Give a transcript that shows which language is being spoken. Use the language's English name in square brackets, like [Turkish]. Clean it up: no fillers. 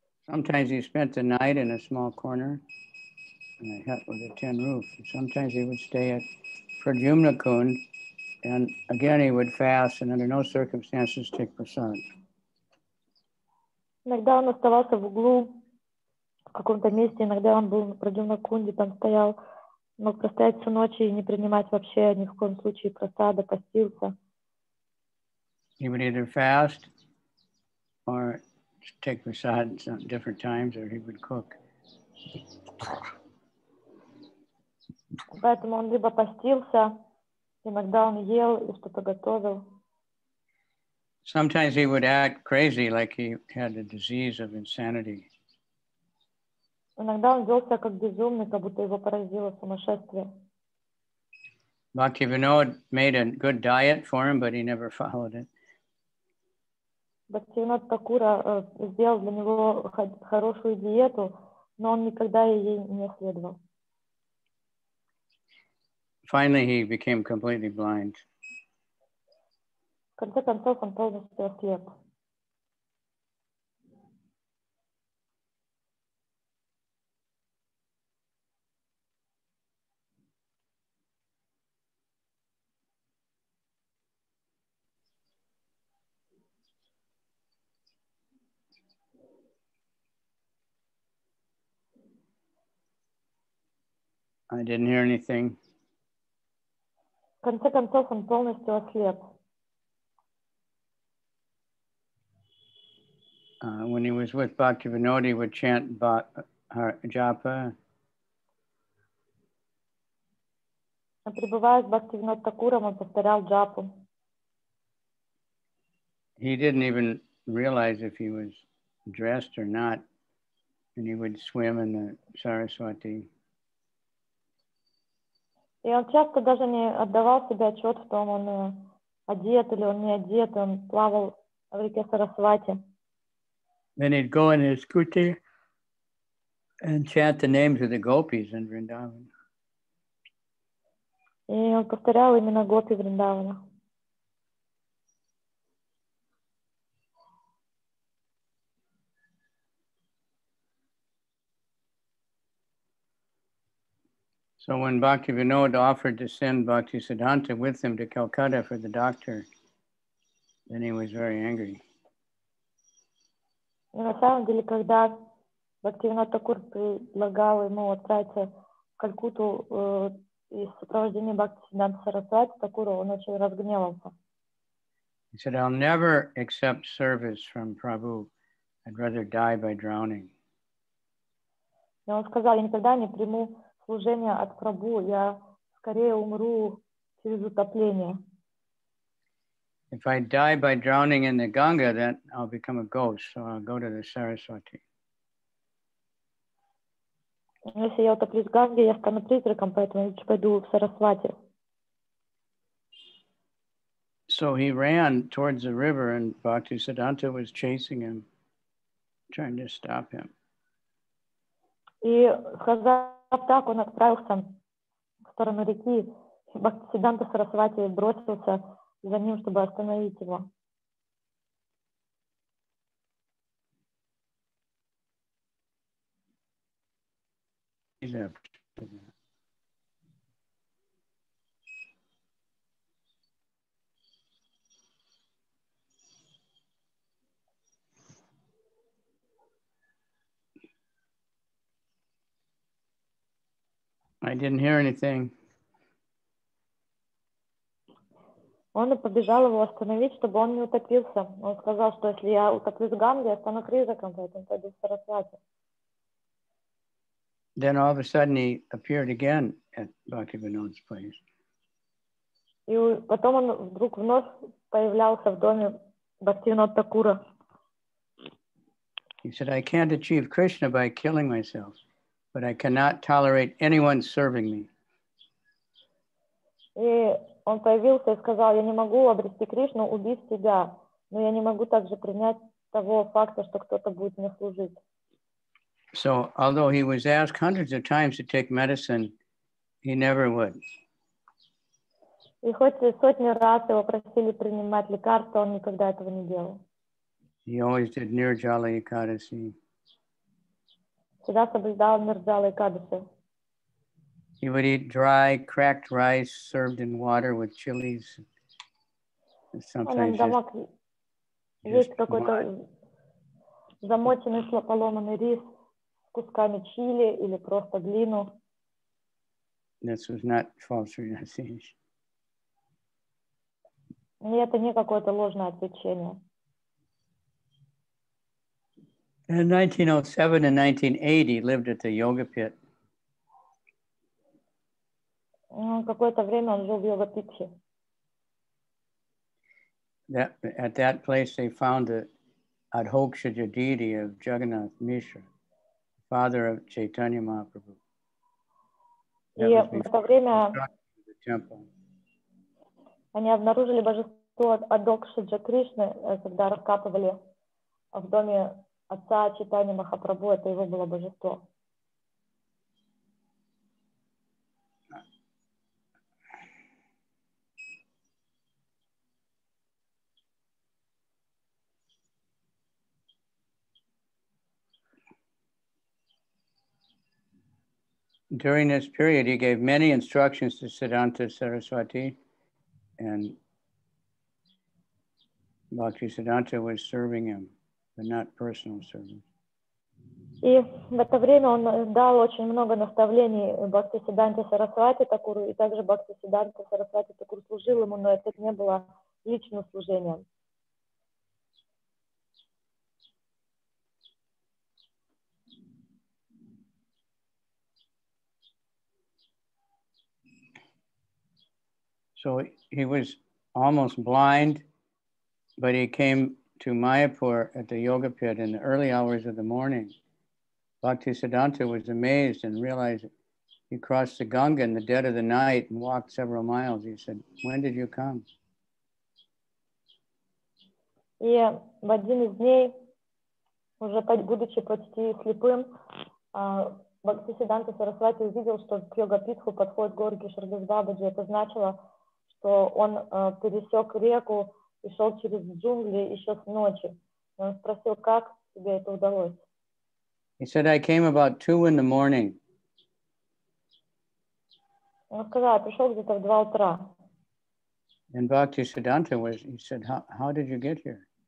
[English] Sometimes he spent the night in a small corner in a hut with a tin roof. Sometimes he would stay at Pradyumna Kund, and again he would fast and under no circumstances take prasad. [Russian] Иногда он оставался в углу в каком-то месте, иногда он был на Прадюмна Кунде, там стоял, мог простоять всю ночь и не принимать вообще ни в коем случае прасада, постился. [English] He would either fast or take prasad at different times, or he would cook. [Russian] Поэтому он либо постился, иногда он ел и что-то готовил. [English] Sometimes he would act crazy, like he had a disease of insanity. [Russian] Иногда он вел себя как безумный, как будто его поразило сумасшествие. [English] Bhaktivinod made a good diet for him, but he never followed it. [Russian] Бхактивинод Такура сделал для него хорошую диету, но он никогда ей не следовал. [English] Finally, he became completely blind. [Russian] В конце концов, он полностью ослеп. [English] I didn't hear anything. [Russian] В конце концов, он полностью ослеп. [English] When he was with Bhaktivinod, he would chant Japa. [Russian] Пребывая с Бхактивинод Такуром, он повторял Джапу. [English] He didn't even realize if he was dressed or not, and he would swim in the Saraswati. [Russian] И он часто даже не отдавал себе отчет в том, он одет или он не одет, он плавал в реке Сарасвати. [English] Then he'd go in his kuti and chant the names of the gopis in Vrindavan. [Russian] И он повторял имена гопи Вриндавана. [English] So when Bhaktivinod offered to send Bhaktisiddhanta with him to Calcutta for the doctor, then he was very angry. [Russian] И на самом деле, когда Бхактивинод Такур предлагал ему отправиться в Калькутту и сопровождение Бхактисиддханты Сарасвати Такуру, он очень разгневался. [English] He said, "I'll never accept service from Prabhu. I'd rather die by drowning." [Russian] И он сказал, я никогда не приму служение от Прабху, я скорее умру через утопление. [English] If I die by drowning in the Ganga, then I'll become a ghost, so I'll go to the Saraswati. [Russian] Если я утоплюсь в Ганге, я стану призраком, поэтому я пойду в Сарасвати. [English] So he ran towards the river, and Bhaktisiddhanta was chasing him, trying to stop him. [Russian] И сказав так, он отправился в сторону реки, и Бхактисиддханта Сарасвати бросился за ним, чтобы остановить его. [English] I didn't hear anything. [Russian] Он побежал его остановить, чтобы он не утопился. Он сказал, что если я утоплюсь в Ганге, я стану призраком, поэтому пойду в Сарасвати. [English] Then all of a sudden he appeared again at Bhaktivinod's place. [Russian] И потом он вдруг вновь появлялся в доме Бхактивинод Такура. [English] He said, "I can't achieve Krishna by killing myself." but I cannot tolerate anyone serving me. [Russian] И он появился и сказал: я не могу обрести Кришну, убить себя, но я не могу также принять того факта, что кто-то будет мне служить. [English] So, although he was asked hundreds of times to take medicine, he never would. [Russian] И хоть сотни раз его просили принимать лекарства, он никогда этого не делал. [English] He always did Nirjala Ekadasi. [Russian] Всегда соблюдал Нирджала Экадаси. [English] He would eat dry, cracked rice served in water with chilies. And sometimes just [Russian] какой-то [English] mud. [Russian] Замоченный поломанный рис с кусками чили или просто глину. [English] This was not false renunciation. [Russian] И это не какое-то ложное отвлечение. [English] In 1907 and 1980 lived at the yoga pit. [Russian] Какое-то время он жил в йога-питхе. [English] At that place they found the Adhokshaja deity of Jagannath Mishra, father of Chaitanya Mahaprabhu. [Russian] В это время они обнаружили божество Адхокшаджа Кришны, когда раскапывали в доме отца Чайтаньи Махапрабху, это его было божество. [English] During this period, he gave many instructions to Siddhanta Saraswati, and Bhakti Siddhanta was serving him, but not personal service. [Russian] И в это время он дал очень много наставлений Бхакти Сидданте Сарасвати Такуру, и также Бхакти Сидданте Сарасвати Такуру служил ему, но это не было личным служением. [English] So he was almost blind, but he came to Mayapur at the yoga pit in the early hours of the morning. Bhaktisiddhanta was amazed and realized he crossed the Ganga in the dead of the night and walked several miles. He said, "When did you come?" [Russian] И в один из дней, уже будучи почти слепым, Бхактисиддханта Сарасвати увидел, что к йога-питху подходит Гору Кешардас Бабаджи. Это значило, что он пересек реку и шел через джунгли еще с ночи. Он спросил, как тебе это удалось. [English] He said, "I came about 2 in the morning." [Russian] Он сказал, я пришел где-то в 2 утра. [English] And Bhaktisiddhanta was, he said, how did you get here?